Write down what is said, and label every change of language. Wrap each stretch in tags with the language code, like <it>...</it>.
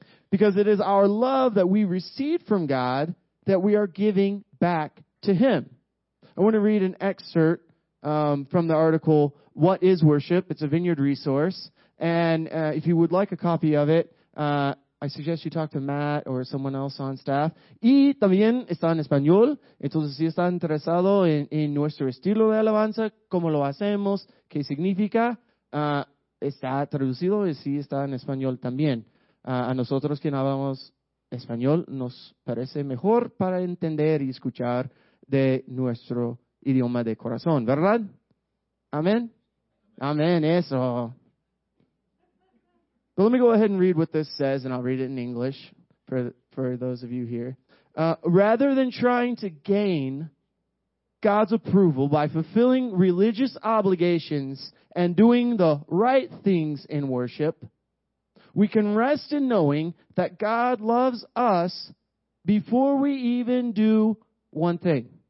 <en>Because it is our love that we received from God that we are giving back to him. I want to read an excerpt from the article, What is Worship? It's a Vineyard resource. And if you would like a copy of it, I suggest you talk to Matt or someone else on staff.</en> <es>Y también está en español. Entonces, si está interesado en nuestro estilo de alabanza, cómo lo hacemos, qué significa, está traducido y sí está en español también. A nosotros que hablamos español nos parece mejor para entender y escuchar de nuestro idioma de corazón, ¿verdad? Amén. Amén, eso.</es> <en>But let me go ahead and read what this says, and I'll read it in English for those of you here. Rather than trying to gain God's approval by fulfilling religious obligations and doing the right things in worship, we can rest in knowing that God loves us before we even do one thing.</en>